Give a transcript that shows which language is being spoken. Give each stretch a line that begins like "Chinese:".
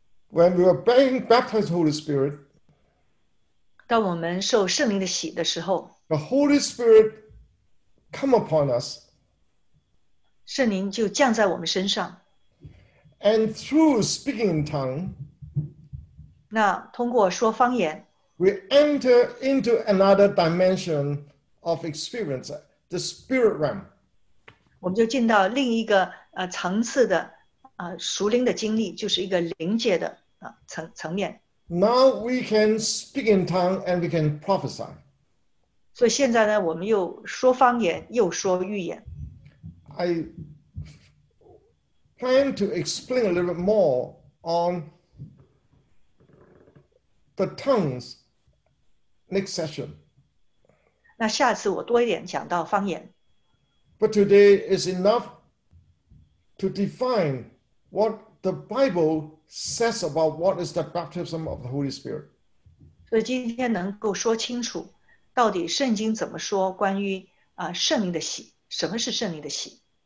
English: when we were being baptized with the Holy Spirit,
Chinese: 当我们受圣灵的洗的时候，
English: the Holy Spirit come upon us.
Chinese: 圣灵就降在我们身上。
English: And through speaking in tongue,
Chinese: 那通过说方言,
English: we enter into another dimension of experience, the spirit realm.
Chinese: 我们就进到另一个, 层次的, 属灵的经历, 就是一个灵界的, 层面。
English: Now we can speak in tongue and we can prophesy.
Chinese: 所以现在呢, 我们又说方言, 又说预言。
English: I plan to explain a little bit more on the tongues next session.
Chinese: 那下次我多一点讲到方言。
English: But today is enough to define what the Bible says about what is the baptism of the Holy Spirit.
Chinese: 所以今天能够说清楚， 到底圣经怎么说关于, 圣灵的洗, 什么是圣灵的洗？